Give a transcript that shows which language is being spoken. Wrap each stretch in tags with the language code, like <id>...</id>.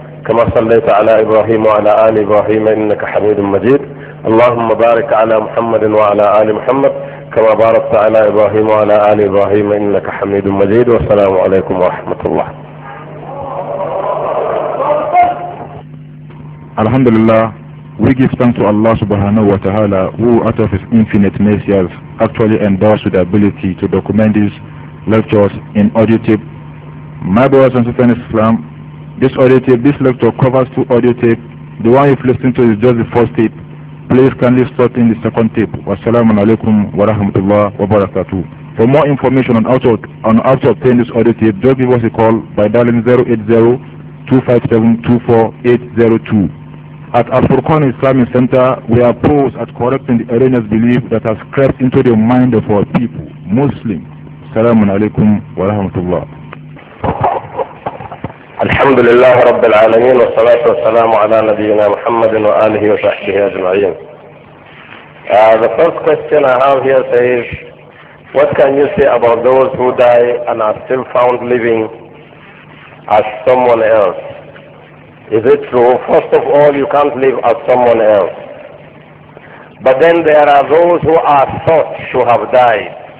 <ar>كما صليت على إبراهيم وعلى آل إبراهيم إنك حميد مجيد. اللهم بارك على محمد وعلى آل محمد كما باركت على إبراهيم وعلى آل إبراهيم إنك حميد مجيد. والسلام عليكم ورحمة الله. الحمد لله.</ar> <en>We give thanks to Allah subhanahu wa ta'ala, who out of his infinite mercy has actually endorsed with the ability to document his lectures in audio tape. My brothers and sisters in Islam, this audio tape, this lecture covers two audio tape. The one you've listened to is just the first tape. Please kindly start in the second tape.</en> <ar>Wassalamu alaikum wa rahmatullah wa barakatuh.</ar> <en>For more information on how to obtain this audio tape, just give us a call by dialing 080-257-24802. At Al-Furqan Islamic Center, we are opposed at correcting the erroneous belief that has crept into the mind of our people, Muslim.</en> <ar>Assalamu alaikum wa rahmatullah. الحمد لله رب العالمين والصلاة والسلام على نبينا محمد وآله وصحبه أجمعين.</ar> <en>The first question I have here says, what can you say about those who die and are still found living as someone else? Is it true? First of all, you can't live as someone else. But then there are those who are thought to have died.</en>